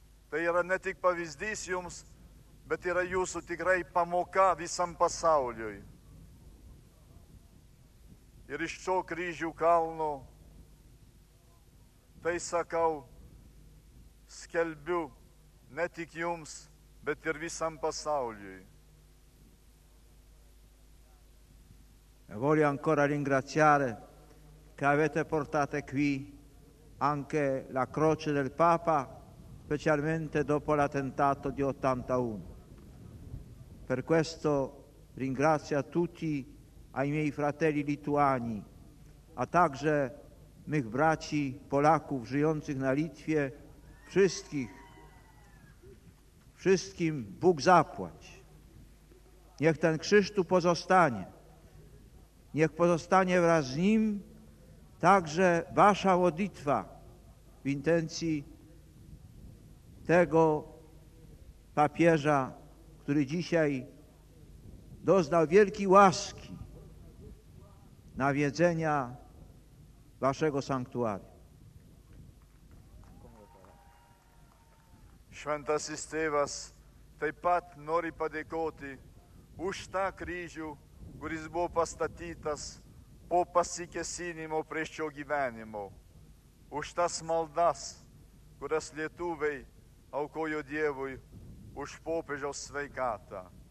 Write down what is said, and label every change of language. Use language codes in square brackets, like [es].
[lt] Tai yra ne tik pavyzdys jums, bet yra jūsų tikrai pamoka visam pasauliui. Ir iš šio kryžių kalno, tai sakau, skelbiu ne tik jums, bet ir visam pasauliui. [it] E voglio ancora ringraziare che avete portato qui anche la croce del Papa, specialmente dopo l'attentato di 81. Per questo ringrazio a tutti, ai miei fratelli lituani, [pl] a także mych braci Polaków żyjących na Litwie, wszystkich, wszystkim Bóg zapłać. Niech ten krzyż tu pozostanie. Niech pozostanie wraz z nim także wasza modlitwa w intencji tego papieża, który dzisiaj doznał wielkiej łaski nawiedzenia waszego sanktuarium. [lt] Świętasis tėvas taip pat nori padėkoti už tą kryžių, kuris buvo pastatytas po pasikėsinimo prieš šio gyvenimo, už tas maldas, kurias lietuviai aukojo Dievui už popiežiaus sveikatą.